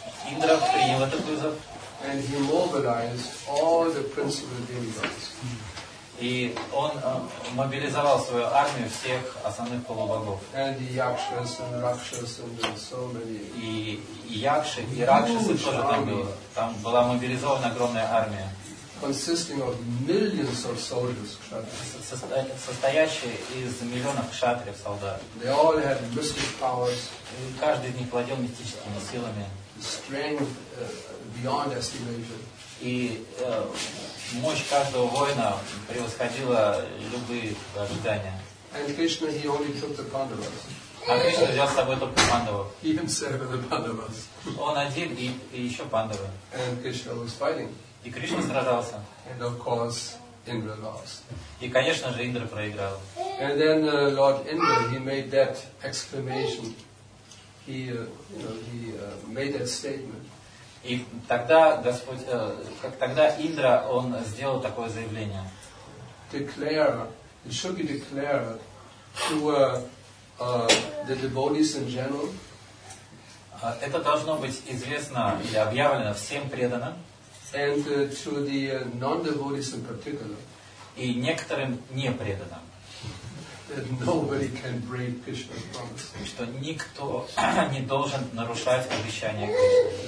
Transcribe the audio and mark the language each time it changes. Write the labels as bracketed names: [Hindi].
[Russian] Индра принял этот вызов. [English] And he mobilized all the principal demigods. [Russian] И он мобилизовал свою армию всех основных полубогов. [English] And the yakshas and rakshas and so many. [Russian] И якши, и ракшасы тоже там были. Там была мобилизована огромная армия. [English] consisting of millions of soldiers, [Russian] состоящие из миллионов кшатриев солдат. [English] They all had mystic powers. [Russian] И каждый из них владел мистическими силами. [English] Strength beyond estimation. [Russian] И мощь каждого воина превосходила любые ожидания. [English] And Krishna, he only took the Pandavas. [Russian] А Кришна взял с собой только пандавов. [English] He himself and the Pandavas. [Russian] Он один и еще пандавы. [English] And Krishna was fighting. [Russian] И Кришна сражался. [English] And of course, Indra lost. [Russian] И, конечно же, Индра проиграл. [English] And then Lord Indra, he made that exclamation. He, you know, he made that statement. [Russian] И тогда Господь, как тогда Индра, он сделал такое заявление. [English] Declare, it should be declared to the devotees in general. [Russian] Это должно быть известно или объявлено всем преданным. [English] And to the non-devotees in particular. [Russian] И некоторым не преданным. [English] Nobody can break Krishna's promise. [Russian] Что никто не должен нарушать обещание Кришны.